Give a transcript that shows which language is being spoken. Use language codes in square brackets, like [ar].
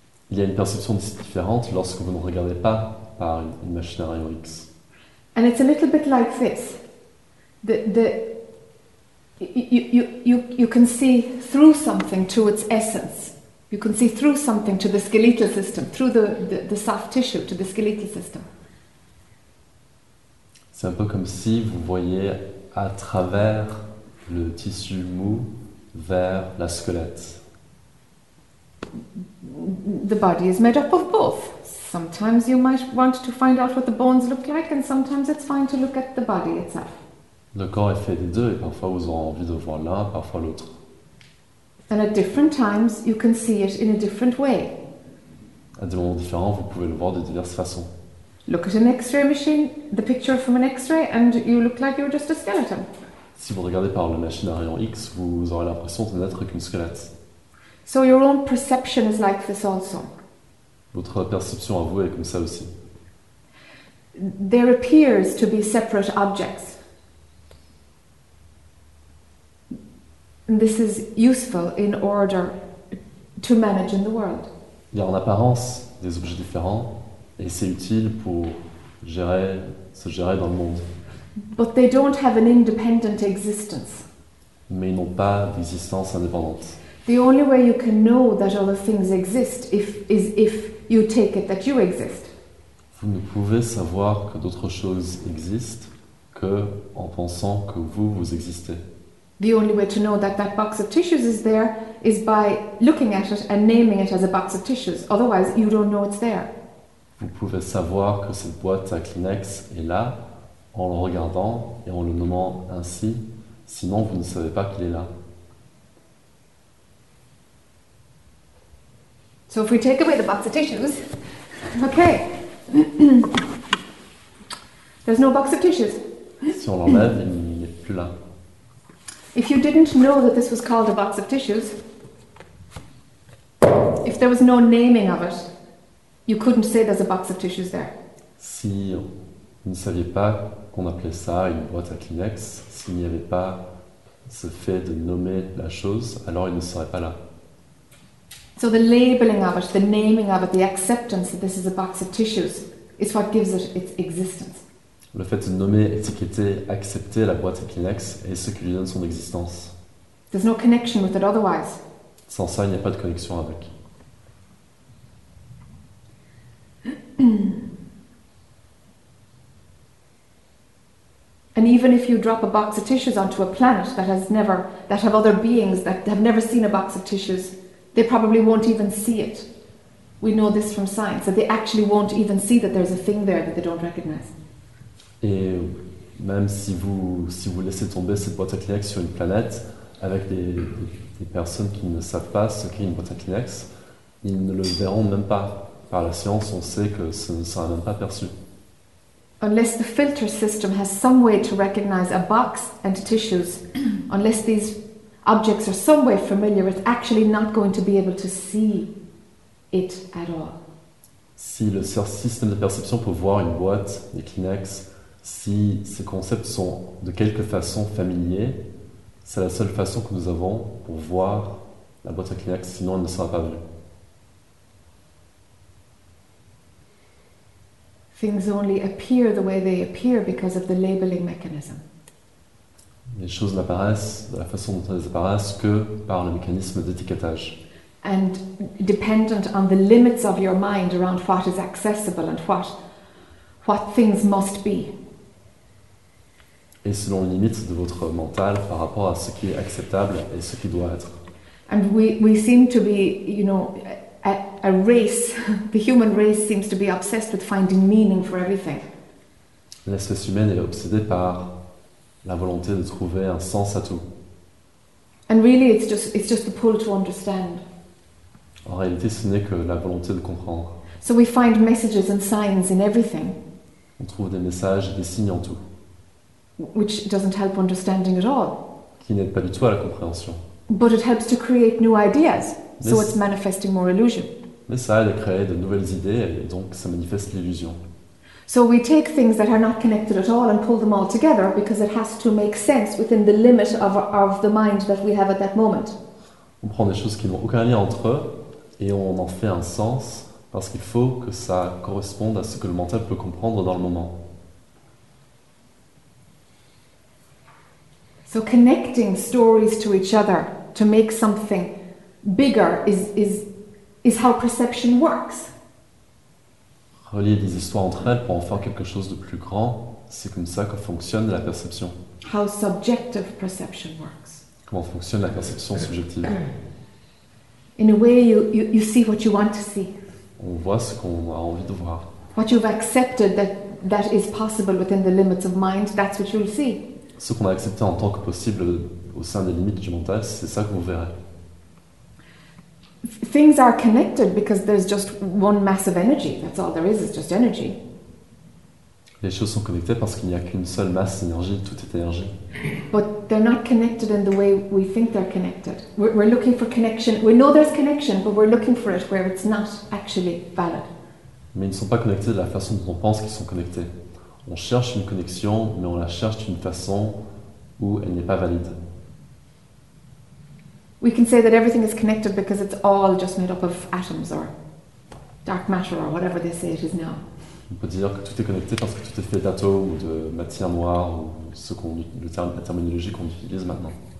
[fr] Il y a une perception différente lorsque vous ne regardez pas par une machine à rayon X. [en] And it's a little bit like this. You can see through something to its essence. You can see through something to the skeletal system, through the soft tissue to the skeletal system. [fr] C'est un peu comme si vous voyez à travers le tissu mou vers la squelette. [en] the body is made up of both. Sometimes you might want to find out what the bones look like, and sometimes it's fine to look at the body itself. [fr] Le corps est fait des deux, et parfois vous aurez envie de voir l'un, parfois l'autre. [en] And at different times, you can see it in a different way. [fr] À des moments différents, vous pouvez le voir de diverses façons. [en] Look at an X-ray machine, the picture from an X-ray, and you look like you're just a skeleton. [fr] Si vous regardez par la machine à rayon X, vous aurez l'impression de n'être qu'une squelette. [en] So your own perception is like this also. [fr] Votre perception à vous est comme ça aussi. [en] There appears to be separate objects. This is useful in order to manage in the world. [fr] Il y a en apparence des objets différents, et c'est utile pour gérer, se gérer dans le monde. [en] But they don't have an independent existence. [fr] Mais ils n'ont pas d'existence indépendante. [en] The only way you can know that other things exist is if you take it that you exist. [fr] Vous ne pouvez savoir que d'autres choses existent que en pensant que vous vous existez. [en] The only way to know that that box of tissues is there is by looking at it and naming it as a box of tissues. Otherwise, you don't know it's there. [fr] Vous pouvez savoir que cette boîte à Kleenex est là en le regardant et en le nommant ainsi, sinon vous ne savez pas qu'il est là. [en] So if we take away the box of tissues, okay. There's no box of tissues. [fr] Si on l'enlève, il n'est plus là. [en] If you didn't know that this was called a box of tissues, if there was no naming of it, you couldn't say there's a box of tissues there. [fr] Si vous ne saviez pas qu'on appelait ça une boîte à Kleenex, s'il n'y avait pas ce fait de nommer la chose, alors il ne serait pas là. [en] So the labeling of it, the naming of it, the acceptance that this is a box of tissues is what gives it its existence. [fr] Le fait de nommer, étiqueter, accepter la boîte à Kleenex est ce qui lui donne son existence. [en] There's no connection with it otherwise. [fr] Sans ça, il n'y a pas de connexion avec. [en] And even if you drop a box of tissues onto a planet that have other beings that have never seen a box of tissues, they probably won't even see it. We know this from science, that they actually won't even see that there's a thing there that they don't recognize. [fr] Et même si vous laissez tomber cette boîte à Kleenex sur une planète avec des personnes qui ne savent pas ce qu'est une boîte à Kleenex, ils ne le verront même pas. Par la science, on sait que ça ne sera même pas perçu. [en] Unless the filter system has some way to recognize a box and tissues, unless these objects are some way familiar, it's actually not going to be able to see it at all. [fr] Si le système de perception peut voir une boîte, des Kleenex, si ces concepts sont de quelque façon familiers, c'est la seule façon que nous avons pour voir la boîte à Kleenex, sinon elle ne sera pas vue. [en] Things only appear the way they appear because of the labeling mechanism. [fr] Les choses n'apparaissent de la façon dont elles apparaissent que par le mécanisme d'étiquetage. [en] And dependent on the limits of your mind around what is accessible and what things must be. [fr] Et selon les limites de votre mental par rapport à ce qui est acceptable et ce qui doit être. [en] And we seem to be, you know, a race, the human race seems to be obsessed with finding meaning for everything. [fr] L'espèce humaine est obsédée par la volonté de trouver un sens à tout. [en] And really it's just the pull to understand. [fr] En réalité, ce n'est que la volonté de comprendre. [en] So we find messages and signs in everything. [fr] On trouve des messages et des signes en tout. [en] Which doesn't help understanding at all. [fr] Qui n'aide pas du tout à la compréhension. [en] But it helps to create new ideas. So it's manifesting more illusion. [fr] Mais ça aide à créer de nouvelles idées et donc ça manifeste l'illusion. [en] So we take things that are not connected at all and pull them all together because it has to make sense within the limit of the mind that we have at that moment. [fr] On prend des choses qui n'ont aucun lien entre eux et on en fait un sens parce qu'il faut que ça corresponde à ce que le mental peut comprendre dans le moment. [en] So connecting stories to each other to make something bigger is how perception works. [fr] Relier des histoires entre elles pour en faire quelque chose de plus grand, c'est comme ça que fonctionne la perception. [en] How subjective perception works. [fr] Comment fonctionne la perception subjective? [en] In a way, you see what you want to see. [fr] On voit ce qu'on a envie de voir. [en] What you've accepted that is possible within the limits of mind, that's what you'll see. [fr] Ce qu'on a accepté en tant que possible au sein des limites du mental, c'est ça que vous verrez. [en] Things are connected because there's just one mass of energy. That's all there is just energy. [fr] Les choses sont connectées parce qu'il n'y a qu'une seule masse d'énergie, tout est énergie. [en] But they're not connected in the way we think they're connected. We're looking for connection. We know there's connection, but we're looking for it where it's not actually valid. [fr] Mais ils ne sont pas connectés de la façon dont on pense qu'ils sont connectés. On cherche une connexion, mais on la cherche d'une façon où elle n'est pas valide. [en] We can say that everything is connected because it's all just made up of atoms or dark matter or whatever they say it is now. [fr] On peut dire que tout est connecté parce que tout est fait d'atomes ou de matière noire ou ce qu'on le terme la terminologie qu'on utilise maintenant.